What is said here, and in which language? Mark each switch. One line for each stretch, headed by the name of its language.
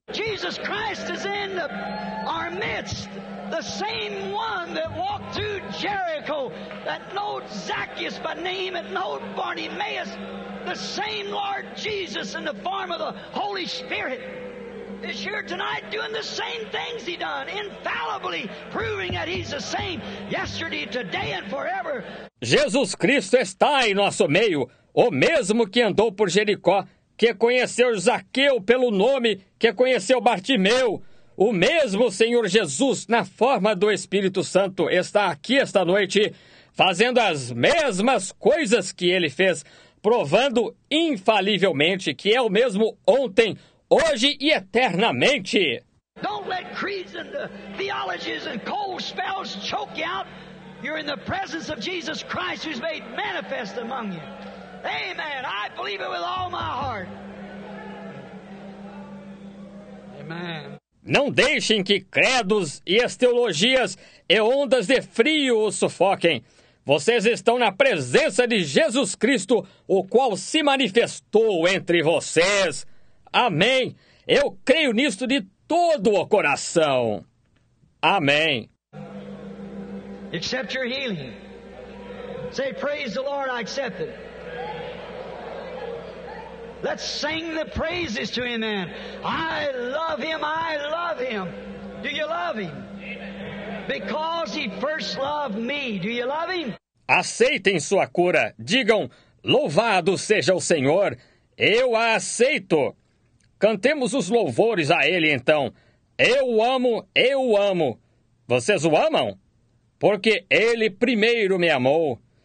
English: Jesus Christ is in our midst. The same one that walked through Jericho, that knowed Zacchaeus by name and knowed Bartimaeus, the same Lord Jesus in the form of the Holy Spirit is here tonight doing the same things he done, infallibly proving that he's the same yesterday, today and forever.
Portuguese: Jesus Cristo está em nosso meio, o mesmo que andou por Jericó, que conheceu Zaqueu pelo nome, que conheceu Bartimeu. O mesmo Senhor Jesus, na forma do Espírito Santo, está aqui esta noite, fazendo as mesmas coisas que ele fez, provando infalivelmente que é o mesmo ontem, hoje e eternamente.
English: Don't let creeds and theologies and cold spells choke you out. You're in the presence of Jesus Christ, who's made manifest among you. Amen. I believe it with all my heart. Amen.
Portuguese: Não deixem que credos e as teologias e ondas de frio os sufoquem. Vocês estão na presença de Jesus Cristo, o qual se manifestou entre vocês. Amém. Eu creio nisto de todo o coração. Amém.
English: Accept your healing. Say, praise the Lord, I accept it. Let's sing the praises to him then. I love him, I love him. Do you love him? Because he first loved me. Do you love him?
Portuguese: Aceitem sua cura. Digam, louvado seja o Senhor. Eu a aceito. Cantemos os louvores a ele então. Eu o amo, eu o amo. Vocês o amam? Porque ele primeiro me amou.